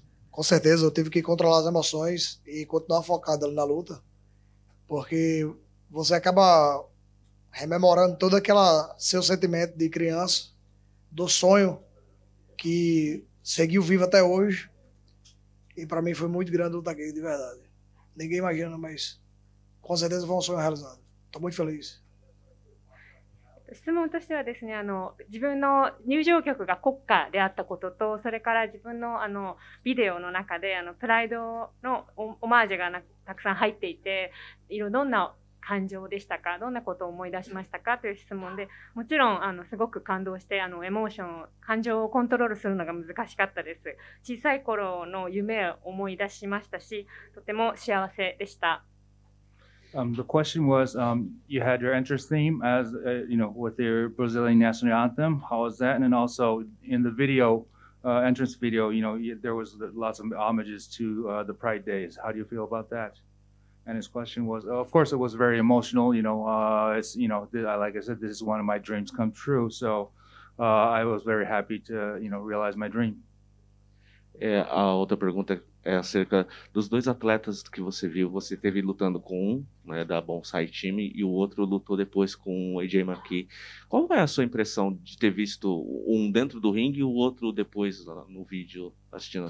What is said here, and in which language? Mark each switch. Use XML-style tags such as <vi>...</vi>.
<pt>Com certeza, eu tive que controlar as emoções e continuar focado ali na luta, porque você acaba rememorando todo aquele seu sentimento de criança, do sonho que seguiu vivo até hoje. E para mim foi muito grande lutar aqui, de verdade. Ninguém imagina, mas com certeza foi um sonho realizado. Estou muito feliz.</pt> <ja>質問としてはですね、自分の入場曲が国歌であったことと、それから自分の、ビデオの中で、プライドのオマージュがたくさん入っていて、どんな感情でしたか、どんなことを思い出しましたかという質問で、もちろん、すごく感動して、エモーション、感情をコントロールするのが難しかったです。小さい頃の夢を思い出しましたし、とても幸せでした。</ja> <en>The question was, you had your entrance theme as, with your Brazilian national anthem. How was that? And then also in the video, entrance video, there was lots of homages to the Pride Days. How do you feel about that? And his question was, of course, it was very emotional. Like I said, this is one of my dreams come true. So I was very happy to, realize my dream.</en> <pt>A outra pergunta é acerca dos dois atletas que você viu. Você teve lutando com um, da Bonsai Team, e o outro lutou depois com o AJ McKee. Qual é a sua impressão de ter visto um dentro do ringue e o outro depois no vídeo assistindo?</pt>